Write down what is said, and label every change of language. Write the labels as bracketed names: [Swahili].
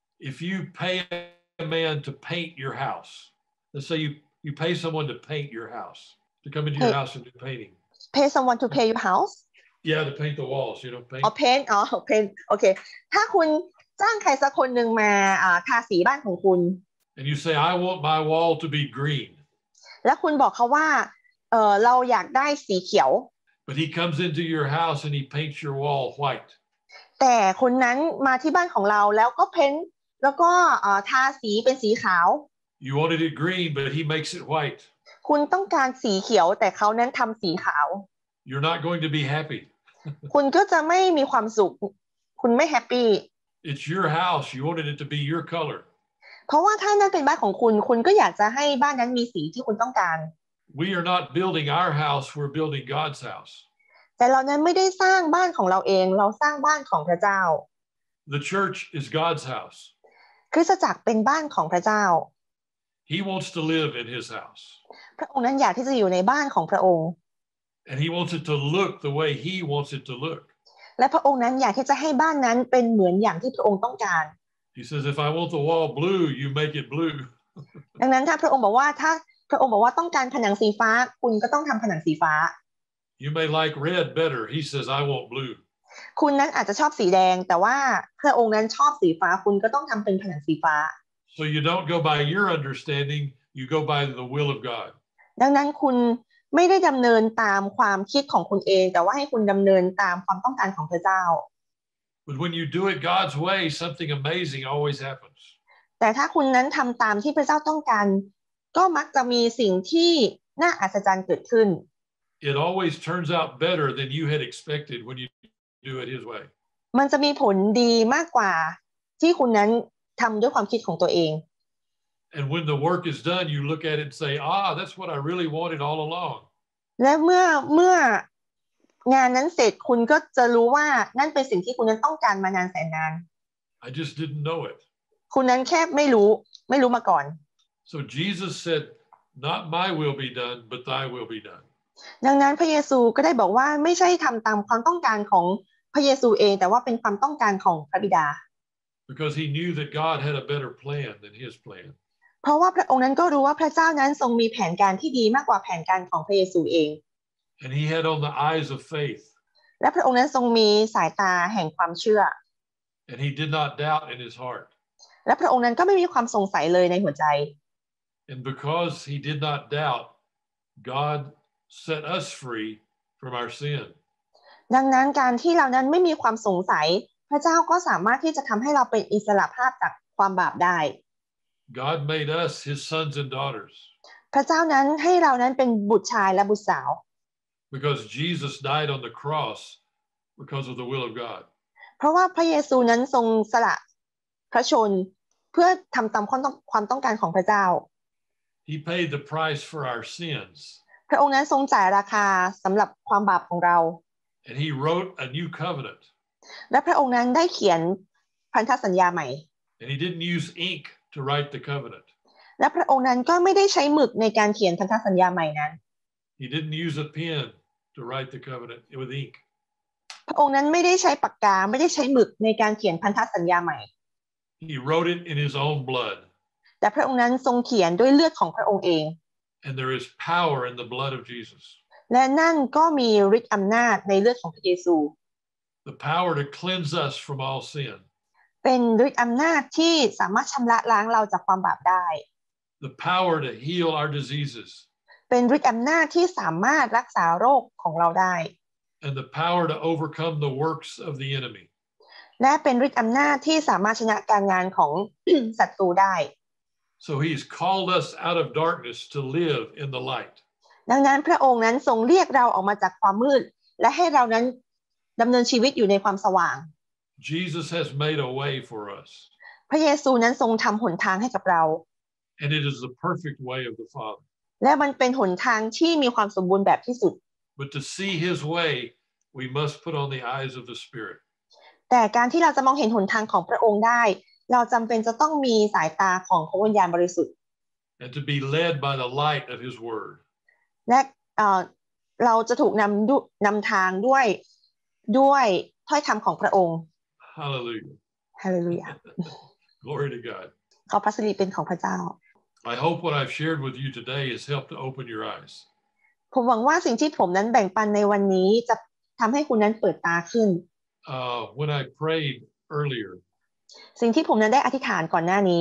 [English] If you pay a man to paint your house. Let's say you pay someone to paint your house, to come into your house and do painting. Pay someone to paint your house? Yeah, to paint the walls, you know, paint. Paint, okay. [Thai] ถ้าคุณจ้างใครสักคนหนึ่งมาทาสีบ้านของคุณ [English] And you say, I want my wall to be green. [Thai] แล้วคุณบอกเขาว่าเราอยากได้สีเขียว [English] But he comes into your house and he paints your wall white. [Thai] แต่คนนั้นมาที่บ้านของเราแล้วก็เพ้นท์ แล้วก็ทาสีเป็นสีขาว [English] You wanted it green but he makes it white [Thai] คุณต้องการสีเขียวแต่เขานั้นทำสีขาว [English] You're not going to be happy [Thai] คุณก็จะไม่มีความสุขคุณไม่แฮปปี้ [English] It's your house you wanted it to be your color [Thai] เพราะว่าถ้านั้นเป็นบ้านของคุณคุณก็อยากจะให้บ้านนั้นมีสีที่คุณต้องการ [English] We are not building our house we're building God's house [Thai] แต่เรานั้นไม่ได้สร้างบ้านของเราเองเราสร้างบ้านของพระเจ้า [English] The church is God's house [Thai] คริสตจักรเป็นบ้านของพระเจ้า [English] He wants to live in his house [Thai] พระองค์นั้นอยากที่จะอยู่ในบ้านของพระองค์ [English] And he wants it to look the way he wants it to look [Thai] และพระองค์นั้นอยากที่จะให้บ้านนั้นเป็นเหมือนอย่างที่พระองค์ต้องการ [English] He says if I want the wall blue you make it blue [Thai] ดังนั้นถ้าพระองค์บอกว่าถ้าพระองค์บอกว่าต้องการผนังสีฟ้าคุณก็ต้องทำผนังสีฟ้า [English] You may like red better. He says, I want blue. [Thai] คุณนั้นอาจจะชอบสีแดงแต่ว่าพระองค์นั้นชอบสีฟ้าคุณก็ต้องทำเป็นผนังสีฟ้า [English] So you don't go by your understanding. You go by the will of God. [Thai] ดังนั้นคุณไม่ได้ดำเนินตามความคิดของคุณเองแต่ว่าให้คุณดำเนินตามความต้องการของพระเจ้า [English] But when you do it God's way, something amazing always happens. [Thai] แต่ถ้าคุณนั้นทำตามที่พระเจ้าต้องการก็มักจะมีสิ่งที่น่าอัศจรรย์เกิดขึ้น [English] It always turns out better than you had expected when you do it his way. [Thai] มันจะมีผลดีมากกว่าที่คุณนั้นทำด้วยความคิดของตัวเอง [English] And when the work is done, you look at it and say, "Ah, that's what I really wanted all along." [Thai] และเมื่องานนั้นเสร็จคุณก็จะรู้ว่านั่นเป็นสิ่งที่คุณนั้นต้องการมานานแสนนาน [English] I just didn't know it. [Thai] คุณนั้นแค่ไม่รู้มาก่อน [English] So Jesus said, "Not my will be done, but Thy will be done." [Thai] ดังนั้นพระเยซูก็ได้บอกว่าไม่ใช่ทำตามความต้องการของพระเยซูเองแต่ว่าเป็นความต้องการของพระบิดา [English] Because he knew that God had a better plan than his plan [Thai] เพราะว่าพระองค์นั้นก็รู้ว่าพระเจ้านั้นทรงมีแผนการที่ดีมากกว่าแผนการของพระเยซูเอง [English] And he had on the eyes of faith [Thai] และพระองค์นั้นทรงมีสายตาแห่งความเชื่อ [English] And he did not doubt in his heart [Thai] และพระองค์นั้นก็ไม่มีความสงสัยเลยในหัวใจ [English] And because he did not doubt Godset us free from our sin [Thai] ดังนั้นการที่เรานั้นไม่มีความสงสัยพระเจ้าก็สามารถที่จะทําให้เราเป็นอิสระภาพจากความบาปได้ [English] God made us his sons and daughters [Thai] พระเจ้านั้นให้เรานั้นเป็นบุตรชายและบุตรสาว [English] because Jesus died on the cross because of the will of God [Thai] เพราะว่าพระเยซูนั้นทรงสละพระชนเพื่อทําตามความต้องการของพระเจ้า [English] He paid the price for our sins [Thai] พระองค์นั้นทรงจ่ายราคาสำหรับความบาปของเรา [English] And he wrote a new covenant. [Thai] และพระองค์นั้นได้เขียนพันธสัญญาใหม่ [English] And he didn't use ink to write the covenant. [Thai] และพระองค์นั้นก็ไม่ได้ใช้หมึกในการเขียนพันธสัญญาใหม่นั้น [English] He didn't use a pen to write the covenant with ink. [Thai] พระองค์นั้นไม่ได้ใช้ปากกาไม่ได้ใช้หมึกในการเขียนพันธสัญญาใหม่ [English] He wrote it in his own blood. [Thai] แต่พระองค์นั้นทรงเขียนด้วยเลือดของพระองค์เอง [English] And there is power in the blood of Jesus. [Thai] และนั่นก็มีฤทธิ์อำนาจในเลือดของพระเยซู [English] The power to cleanse us from all sin. [Thai] เป็นฤทธิ์อำนาจที่สามารถชำระล้างเราจากความบาปได้ [English] The power to heal our diseases. [Thai] เป็นฤทธิ์อำนาจที่สามารถรักษาโรคของเราได้ [English] And the power to overcome the works of the enemy. [Thai] และเป็นฤทธิ์อำนาจที่สามารถชนะการงานของศัตรูได้ [English] So he's called us out of darkness to live in the light. [Thai] ดังนั้นพระองค์นั้นทรงเรียกเราออกมาจากความมืดและให้เรานั้นดําเนินชีวิตอยู่ในความสว่าง [English] Jesus has made a way for us. [Thai] พระเยซูนั้นทรงทําหนทางให้กับเรา [English] And it is the perfect way of the Father. [Thai] และมันเป็นหนทางที่มีความสมบูรณ์แบบที่สุด [English] But to see his way, we must put on the eyes of the Spirit. [Thai] แต่การที่เราจะมองเห็นหนทางของพระองค์ได้เราจำเป็นจะต้องมีสายตาของพระวิญญาณบริสุทธิ์ [English] And to be led by the light of his word [Thai] และเราจะถูกนำทางด้วยถ้อยคำของพระองค์ [English] Hallelujah Hallelujah Glory to God [Thai] ขอพระสิริเป็นของพระเจ้า [English] I hope what I've shared with you today has helped to open your eyes [Thai] ผมหวังว่าสิ่งที่ผมนั้นแบ่งปันในวันนี้จะทำให้คุณนั้นเปิดตาขึ้น [English] When I prayed earlier [Thai] สิ่งที่ผมนั้นได้อธิษฐานก่อนหน้านี